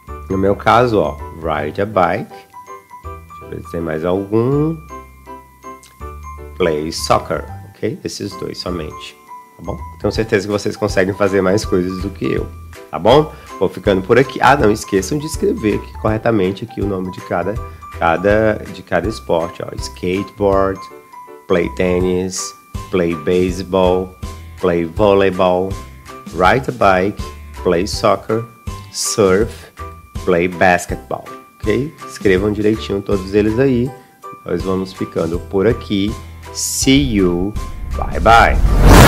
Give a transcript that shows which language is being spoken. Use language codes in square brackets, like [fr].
[pt] No meu caso, ó, [en] ride a bike. [pt] Deixa eu ver se tem mais algum. [en] Play soccer, ok? [pt] Esses dois somente, tá bom? Tenho certeza que vocês conseguem fazer mais coisas do que eu, tá bom? Vou ficando por aqui. Ah, não esqueçam de escrever aqui corretamente aqui o nome de cada esporte, ó. [en] Skateboard, play tennis, play baseball, play volleyball, ride a bike, play soccer, surf, play basketball, ok? [pt] Escrevam direitinho todos eles aí. Nós vamos ficando por aqui. [en] See you. Bye bye.